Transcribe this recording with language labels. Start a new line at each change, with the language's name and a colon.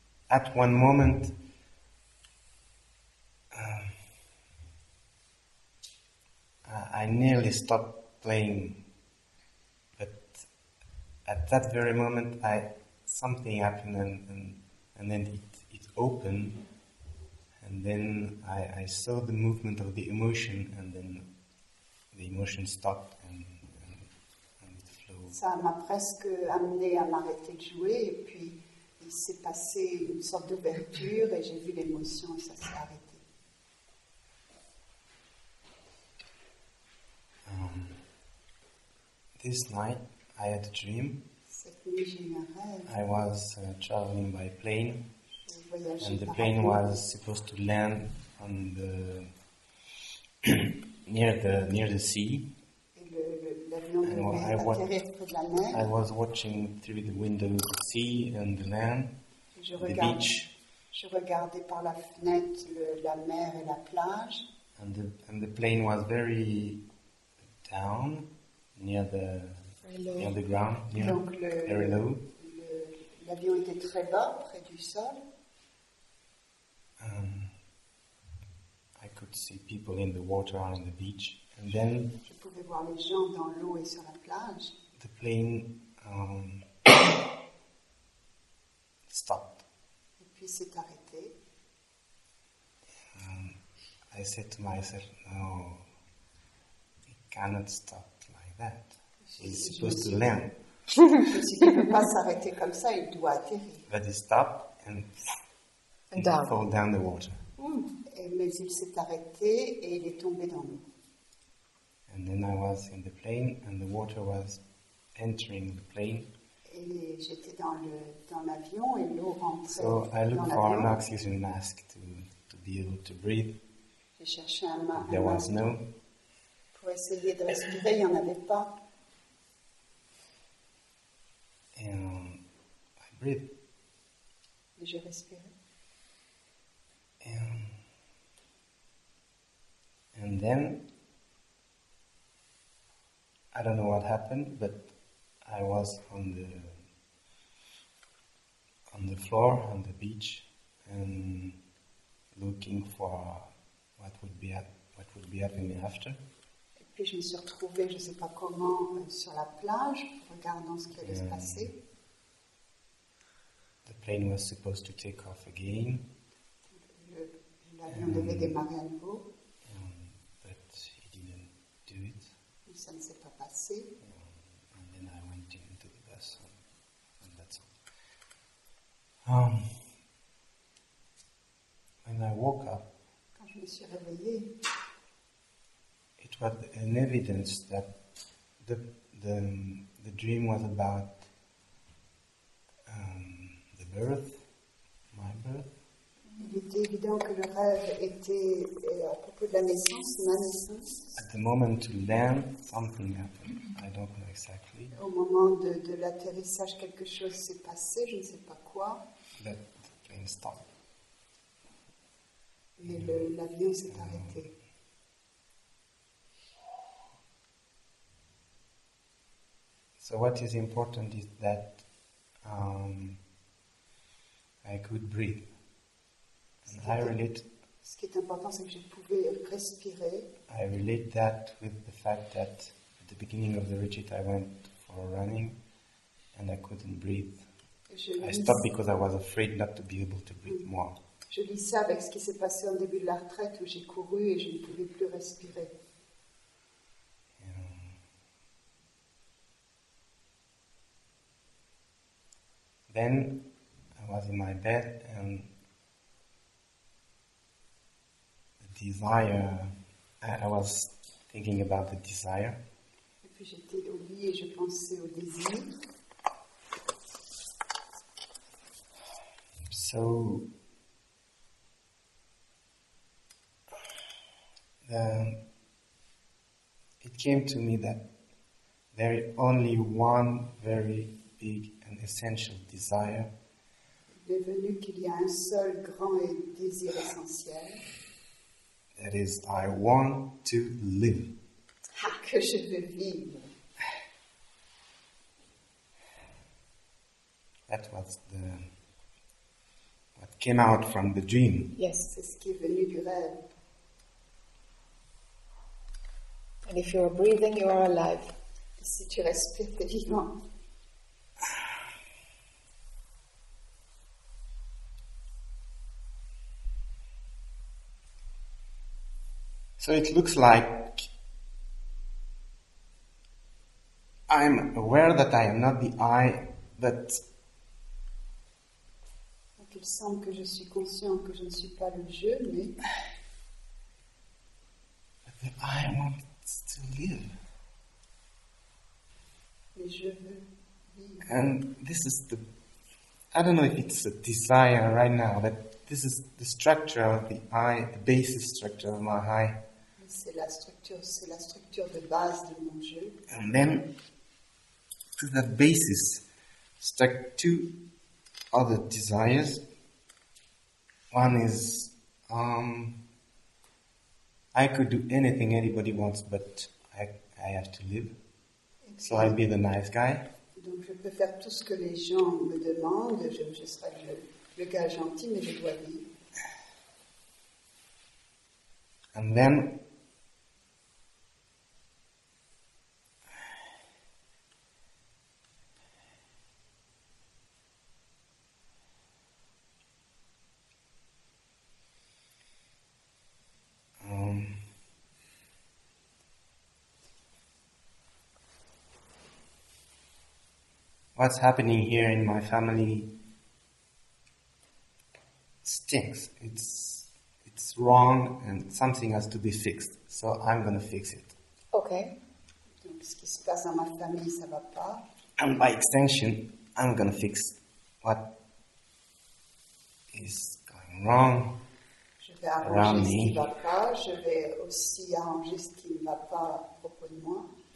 English: At one moment, I nearly stopped playing, but at that very moment, something happened and then it opened, and then I saw the movement of the emotion, and then the emotion stopped and it flowed.
French: Ça m'a presque amené à m'arrêter de jouer, et puis il s'est passé une sorte d'ouverture, et j'ai vu l'émotion, et ça s'est arrêté.
English: This night, I had a dream.
French: Cette nuit, j'ai eu un rêve.
English: I was traveling by plane. And the plane was supposed to land on the near the sea. And I was watching through the window the sea and the land, the beach.
French: Je regardais par la fenêtre la mer et la plage.
English: And the plane was very down near the ground, very low.
French: L'avion était très bas près du sol.
English: I could see people in the water on the beach, and then
French: je pouvais voir les gens dans l'eau et sur la plage.
English: The plane stopped.
French: Et puis c'est arrêté.
English: I said to myself, no, it cannot stop like that. It's supposed to land.
French: Il ne peut pas s'arrêter comme ça. Il doit atterrir.
English: But it stopped and. And down. Fall down the water.
French: Mais il s'est arrêté et il est tombé dans l'eau.
English: And then I was in the plane and the water was entering the plane.
French: Et j'étais dans l'avion et l'eau rentrait.
English: So I looked for an oxygen mask to be able to breathe.
French: J'ai cherché un masque.
English: There was no.
French: Pour essayer de respirer, il n'y en avait pas.
English: And I breathed.
French: Et je respirais.
English: And then, I don't know what happened, but I was on the floor, on the beach, and looking for what would be happening after.
French: Et puis je me suis retrouvée, je ne sais pas comment, sur la plage, regardant ce qui allait se passer.
English: The plane was supposed to take off again.
French: L'avion devait démarrer à nouveau.
English: But he didn't do it.
French: Et ça ne s'est pas passé.
English: And then I went into the bus, and that's all. When I woke up,
French: quand je me suis réveillée,
English: it was an evidence that the dream was about the birth, my birth.
French: Il était évident que le rêve était à propos de la naissance, ma naissance.
English: At the moment to land, something happened. I don't know exactly.
French: Au moment de l'atterrissage, quelque chose s'est passé, je ne sais pas quoi.
English: That the plane stopped.
French: Mais l'avion s'est arrêté.
English: So what is important is that I could breathe. I relate.
French: Ce qui est important, c'est que je pouvais respirer.
English: I relate that with the fact that at the beginning of the retreat, I went for a running, and I couldn't breathe. I stopped because I was afraid not to be able to breathe more.
French: Je lis ça avec ce qui s'est passé au début de la retraite où j'ai couru et je ne pouvais plus respirer.
English: Then I was in my bed and. Desire. I was thinking about the desire.
French: Et puis j'étais au lit et je pensais au désir.
English: So it came to me that there is only one very big and essential desire.
French: Devenu qu'il y a un seul grand et désir essentiel.
English: That is, I want to live.
French: Ah, que je veux vivre.
English: That was the what came out from the dream.
French: Yes, c'est ce qui est venu du rêve.
English: And if you are breathing, you are alive.
French: Si tu respires, t'es vivant.
English: So it looks like I'm aware that I am not the I, but
French: il semble que je suis conscient que je ne suis pas le je, mais
English: but the I wants to live.
French: Mais je veux vivre.
English: And this is the I don't know if it's a desire right now, but this is the structure of the I, the basic structure of my I.
French: C'est la structure de base de mon jeu.
English: And then, to that basis, stuck two other desires. One is, I could do anything anybody wants, but I have to live. Okay. So I'd be the nice guy.
French: Donc je peux faire tout ce que les gens me demandent, je serai le gars gentil, mais je dois vivre.
English: And then, what's happening here in my family stinks. It's wrong and something has to be fixed. So I'm going to fix it. Okay.
French: Donc, ce qui se passe dans ma famille, ça va pas.
English: And by extension, I'm going to fix what is going wrong.
French: Je vais arranger ce qui va pas. Je vais aussi arranger ce qui ne va pas à propos de moi.